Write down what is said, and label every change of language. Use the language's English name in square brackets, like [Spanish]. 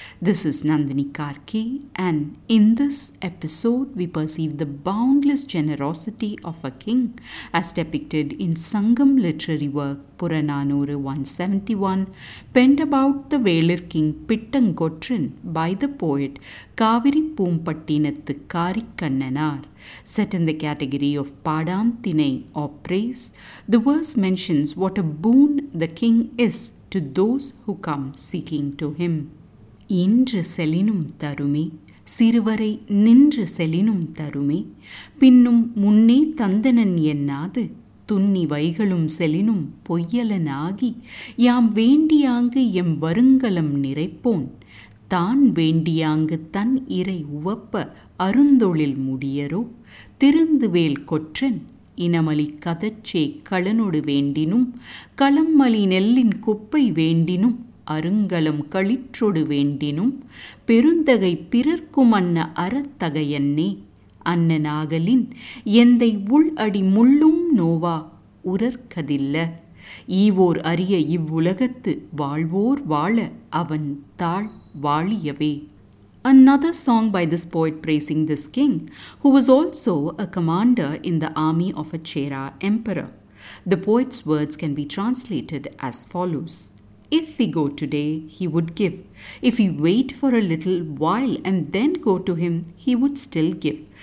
[English] This is Nandini Karki, and in this episode we perceive the boundless generosity of a king as depicted in Sangam literary work Puranaanooru 171, penned about the Velir King Pittankotran by the poet Kaaviripoompattinathu Kaari Kannanaar. Set in the category of Paadaan Thinai or praise, the verse mentions what a boon the king is to those who come seeking to him. [Tamil] இன்று செலினும் தருமே சிறுவரை நின்று செலினும் தருமே பின்னும் முன்னே தந்தனன் என்னாது துன்னி வைகளும் செலினும் பொய்யலனாகி யாம் வேண்டியாங்கு M வருங்கலம் நிறைப்போன் தான் வேண்டியாங்கு தன் இறை உவப்ப அருந்தொழில் முடியரோ திருந்து வேல் கொற்றன் இனமலி கதச்சே களனொடு வேண்டினும் களம்மலி நெல்லின் குப்பை வேண்டினும் அருங்கலம் களிற்றொடு வேண்டினும் பெருந்தகை பிறர்க்கும் அன்ன அறத்தகையன்னே அன்னநாகலின் எந்தை உள் அடி முள்ளும் நோவா உரர்கதில்ல ஈவோர் அறிய இவ்வுலகத்து வாழ்வோர் வாழ அவன் தாழ் வாழியவே. [English] Another song by this poet praising this king, who was also a commander in the army of a Chera emperor. The poet's words can be translated as follows. If we go today, he would give. If we wait for a little while and then go to him, he would still give.